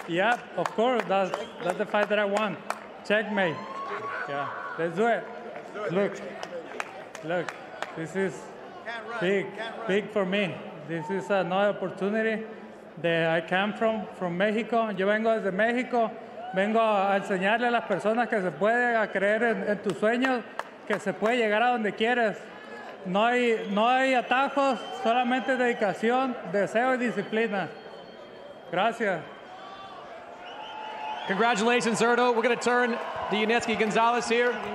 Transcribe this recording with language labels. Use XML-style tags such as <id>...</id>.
<en>Yeah, of course. That's the fight that I want. Checkmate. Yeah, let's do it. Look, this is big for me. This is another opportunity that I came from Mexico.</en> <es>Yo vengo desde México. Vengo a enseñarle a las personas que se puede a creer en tus sueños, que se puede llegar a donde quieres. No hay atajos, solamente dedicación, deseo y disciplina. Gracias.</es> <en>Congratulations, Zurdo. We're going to turn to Yunieski Gonzalez here.</en>